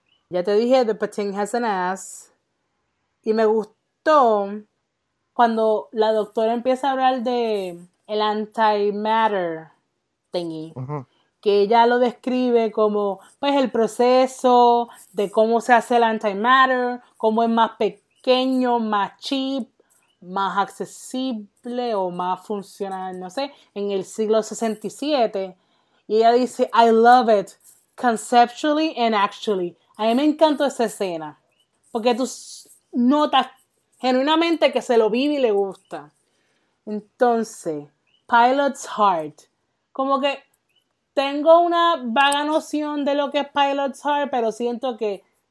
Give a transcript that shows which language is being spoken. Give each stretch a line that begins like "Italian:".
Spanish: Ya te dije,
English: the patin has an ass.
Spanish: Y me gustó cuando la doctora empieza a hablar de el antimatter thingy. Que ella lo describe como, pues, el proceso de cómo se hace el antimatter, cómo es más pequeño, más cheap, más accesible o más funcional, no sé, en el siglo 67. Y ella dice,
English: I love it, conceptually and actually.
Spanish: A mí me encantó esa escena, porque tú notas genuinamente que se lo vive y le gusta. Entonces, Pilot's Heart, como que tengo una vaga noción de lo que es Pilot's Heart, pero siento que